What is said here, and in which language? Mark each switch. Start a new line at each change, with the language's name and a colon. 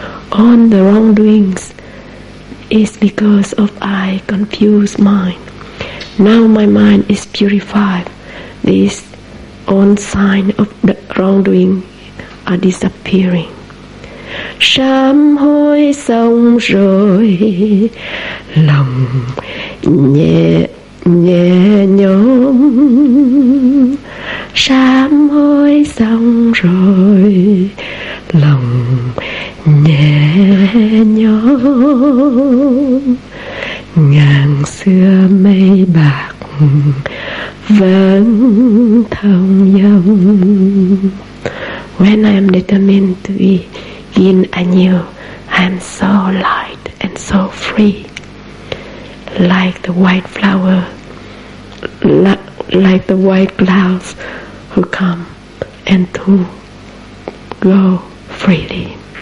English: All the wrongdoings is because of I confused mind. Now my mind is purified. These all signs of the wrongdoing are disappearing.
Vietnamese: Sám hối xong rồi lòng nhẹ nhẹ nhõm. Sám hối xong rồi lòng nhẹ nhõm. Ngàn xưa mây bạc vẫn thông dòng.
English: When I am determined to be in anew, I am so light and so free, like the white flower, like the white clouds who come and to go freely.